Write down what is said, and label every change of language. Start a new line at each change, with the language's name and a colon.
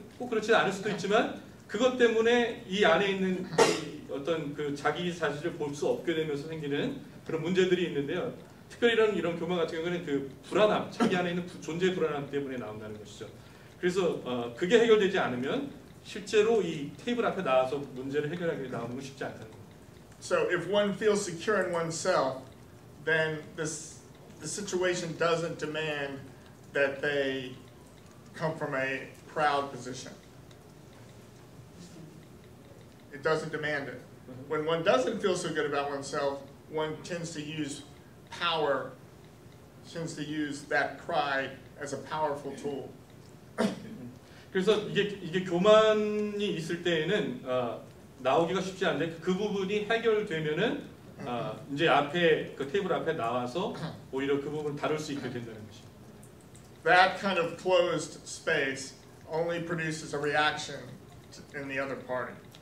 Korean: 꼭 그렇지 않을 수도 있지만 그것 때문에 이 안에 있는 어떤 그 자기 사실을 볼 수 없게 되면서 생기는 그런 문제들이 있는데요. 특별히 이런 교만 같은 경우는 그 불안함, 자기 안에 있는 존재 불안함 때문에 나온다는 것이죠. 그래서 그게 해결되지 않으면 실제로 이 테이블 앞에 나와서 문제를 해결하기 위해 나오는 건 쉽지 않다는 거예요.
English: So if one feels secure in oneself, then the situation doesn't demand that they come from a proud position. It doesn't demand it. When one doesn't feel so good about oneself, one tends to use power, tends to use that pride as a powerful tool.
Korean: 그래서 이게 교만이 있을 때에는 나오기가 쉽지 않은데 그 부분이 해결되면은 이제 앞에 그 테이블 앞에 나와서 오히려 그 부분을 다룰 수 있게 된다는 것이.
English: That kind of closed space only produces a reaction in the other party.